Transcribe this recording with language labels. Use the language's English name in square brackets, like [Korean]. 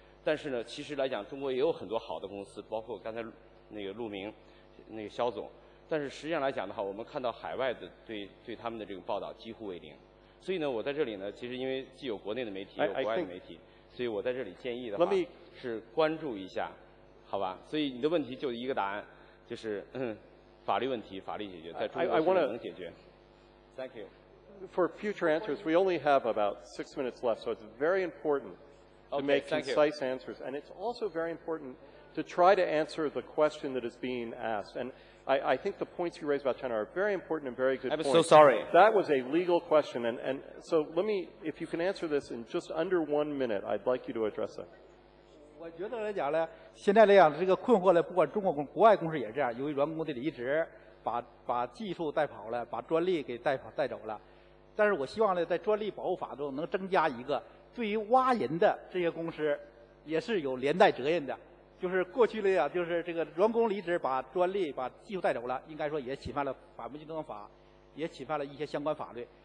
[Chinese] 但是呢其实来讲中国也有很多好的公司，包括刚才那个陆明那个肖总，但是实际上来讲的话，我们看到海外的对他们的这个报道几乎为零。所以呢我在这里呢，其实因为既有国内的媒体有国外的媒体，所以我在这里建议的话是关注一下，好吧。所以你的问题就一个答案，就是法律问题法律解决，在中国是不能解决。 [English] Thank you for future answers. We only have about 6 minutes left, so it's very importantto make okay, concise answers. And it's also very important to try to answer the question that is being asked. And I think the points you raised about China are very important and very good I'm points. I'm so sorry. That was a legal question. And so let me, if you can answer this in just under 1 minute, I'd like you to address it. [Chinese] 我觉得来讲呢，现在来讲这个困惑呢，不管中国公国外公司也这样，由于员工的离职，把技术带跑了，把专利给带走了。但是我希望呢，在专利保护法中能增加一个对于挖人的这些公司也是有连带责任的，就是过去的呀，就是这个员工离职把专利把技术带走了，应该说也侵犯了反不竞争法，也侵犯了一些相关法律。